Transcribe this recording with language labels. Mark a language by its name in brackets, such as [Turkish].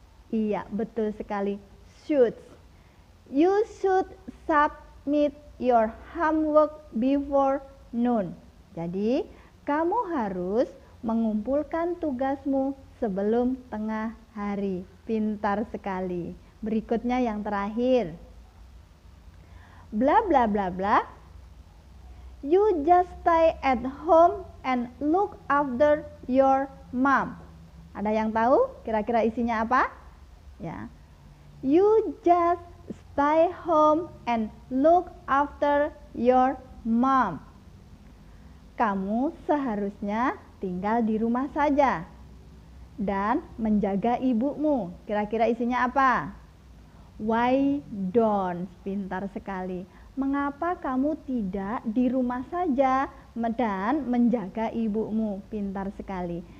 [Indonesian] Iya, betul sekali. [English] Should. You should submit your homework before noon. [Indonesian] Jadi, kamu harus mengumpulkan tugasmu sebelum tengah hari. Pintar sekali. Berikutnya yang terakhir. Blah, blah, blah, blah. [English] You just stay at home and look after your mom. [Indonesian] Ada yang tahu kira-kira isinya apa? Ya. [English] You just stay home and look after your mom. [Indonesian] Kamu seharusnya tinggal di rumah saja dan menjaga ibumu. Kira-kira isinya apa? [English] Why don't? [Indonesian] Pintar sekali. Mengapa kamu tidak di rumah saja dan menjaga ibumu? Pintar sekali.